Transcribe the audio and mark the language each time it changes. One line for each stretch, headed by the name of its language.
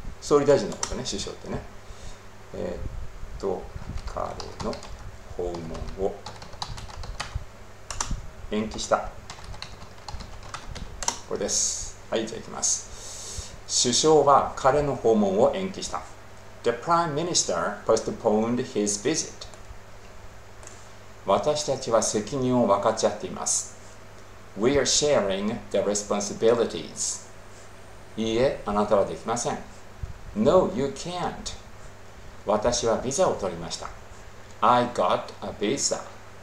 Japanese: 総理大臣のことね、首相ってね。彼の訪問を延期した。これです。はい、じゃあ行きます。首相は彼の訪問を延期した。
English: The Prime Minister postponed his visit.
Japanese: 私たちは責任を分かち合っています。
English: We are sharing the responsibilities.
Japanese: いいえ、あなたはできません。
English: No, you can't.
Japanese: 私はビザを取りました。
English: I got a visa.